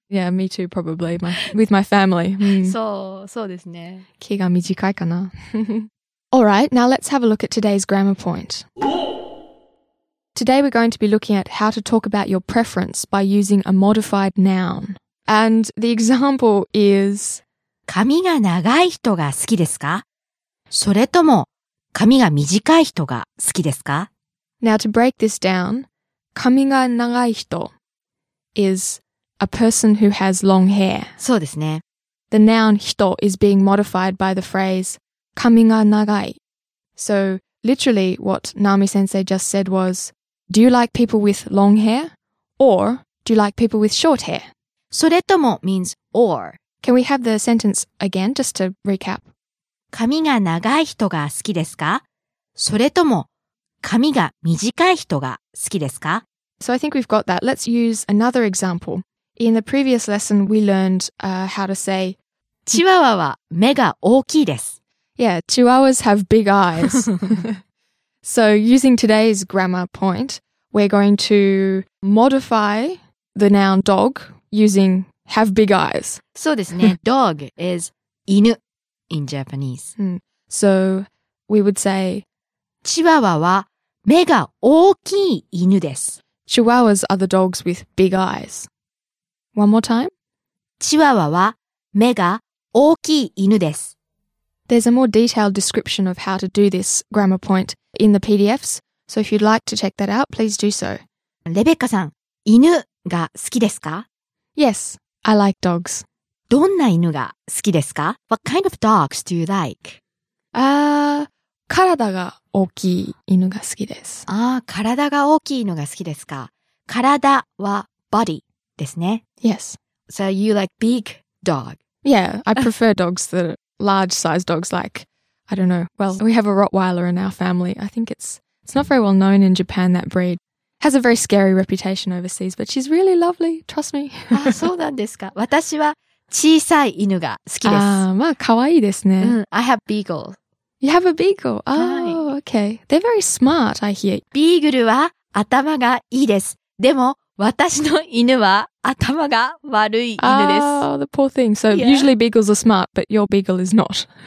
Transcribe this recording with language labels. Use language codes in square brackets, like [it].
[en] Yeah, me too, probably. With my family.、 [ja] そう、そうですね。気が短いかな [en] Alright, now let's have a look at today's grammar point. Today we're going to be looking at how to talk about your preference by using a modified noun. And the example is [ja] 髪が長い人が好きですか?それとも髪が短い人が好きですか? [en] Now to break this down, [ja] 髪が長い人 [en] is a person who has long hair. [ja] そうですね。 [en] The noun 人 is being modified by the phrase [ja] 髪が長い。 [en] So, literally, what Nami-sensei just said was, do you like people with long hair? Or, do you like people with short hair? それとも means or. Can we have the sentence again, just to recap? [ja] 髪が長い人が好きですか?それとも髪が短い人が好きですか? [en] So I think we've got that. Let's use another example. In the previous lesson, we learned how to say [ja] チワワは目が大きいです。 [en] Yeah, chihuahuas have big eyes. So using today's grammar point, we're going to modify the noun dog using have big eyes. [ja] そうですね。 [en] Dog is 犬 in Japanese. So we would say [ja] チワワは目が大きい犬です。 [en] Chihuahuas are the dogs with big eyes. One more time. [ja] チワワは目が大きい犬です。 [en] There's a more detailed description of how to do this grammar point in the PDFs. So if you'd like to check that out, please do so. [ja] レベッカさん、犬が好きですか? [en] Yes, I like dogs. [ja] どんな犬が好きですか? [en] What kind of dogs do you like? [ja] 体が大きい犬が好きです。ああ、体が大きい犬が好きですか。体は body ですね。 [en] Yes. So you like big dog? Yeah, I prefer dogs, the large size dogs like, I don't know. Well, we have a Rottweiler in our family. I think it's not very well known in Japan, that breed. Has a very scary reputation overseas, but she's really lovely, trust me. [ja] ああ、そうなんですか。私は小さい犬が好きです。ああ、まあ可愛いですね。うん、 [en] I have beagle. You have a beagle. Oh,、 [ja] はい、 [en] okay. They're very smart, I hear. [ja] ビーグルは頭がいいです。でも、私の犬は頭が悪い犬です。 [en] Oh, the poor thing. So,、yeah. usually beagles are smart, but your beagle is not.